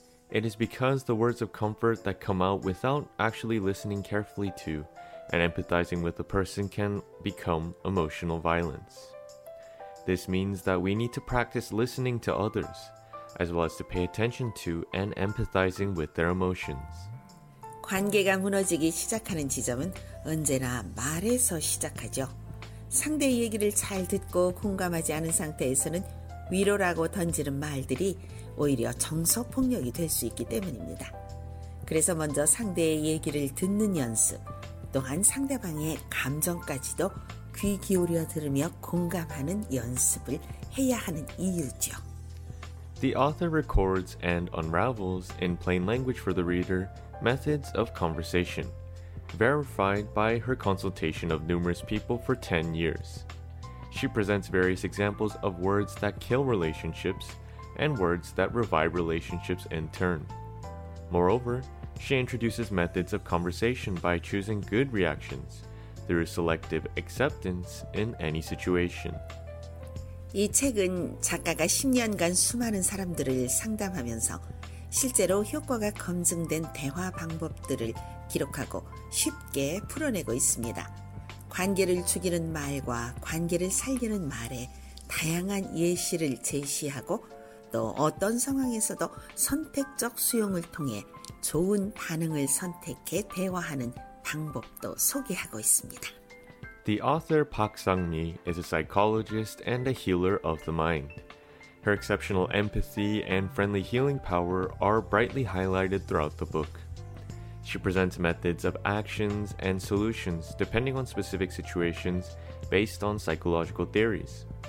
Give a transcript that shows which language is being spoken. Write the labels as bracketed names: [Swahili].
[English] It is because the words of comfort that come out without actually listening carefully to and empathizing with the person can become emotional violence. This means that we need to practice listening to others, as well as to pay attention to and empathizing with their emotions. [Korean] 관계가 무너지기 시작하는 지점은 언제나 말에서 시작하죠. 상대의 얘기를 잘 듣고 공감하지 않은 상태에서는 위로라고 던지는 말들이 오히려 정서폭력이 될 수 있기 때문입니다. 그래서 먼저 상대의 얘기를 듣는 연습, 또한 상대방의 감정까지도 귀 기울여 들으며 공감하는 연습을 해야 하는 이유죠. [English] The author records and unravels, in plain language for the reader, methods of conversation, verified by her consultation of numerous people for 10 years. She presents various examples of words that kill relationships and words that revive relationships in turn. Moreover, she introduces methods of conversation by choosing good reactions through selective acceptance in any situation. [Korean] 이 책은 작가가 10년간 수많은 사람들을 상담하면서 실제로 효과가 검증된 대화 방법들을 기록하고 쉽게 풀어내고 있습니다. 관계를 죽이는 말과 관계를 살리는 말에 다양한 예시를 제시하고 또 어떤 상황에서도 선택적 수용을 통해 좋은 반응을 선택해 대화하는 방법도 소개하고 있습니다. [English] The author Park Sang-mi is a psychologist and a healer of the mind. Her exceptional empathy and friendly healing power are brightly highlighted throughout the book. She presents methods of actions and solutions depending on specific situations based on psychological theories.